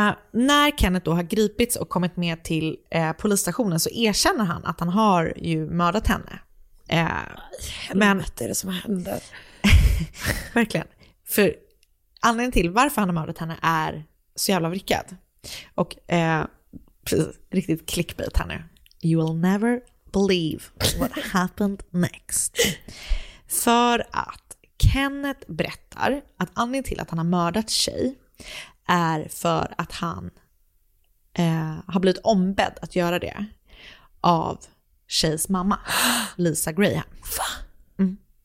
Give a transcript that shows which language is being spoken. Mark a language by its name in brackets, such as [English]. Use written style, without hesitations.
[Swedish] När Kenneth då har gripits och kommit med till polisstationen så erkänner han att han har ju mördat henne. Helvete, men är det som händer? Verkligen. För anledningen till varför han har mördat henne är så jävla vrickad. Och precis, riktigt clickbait här nu. [English] You will never believe what happened next. [Swedish] För att Kenneth berättar att anledningen till att han har mördat tjej är för att han har blivit ombedd att göra det av tjejs mamma, Lisa Graham. Va? Mm.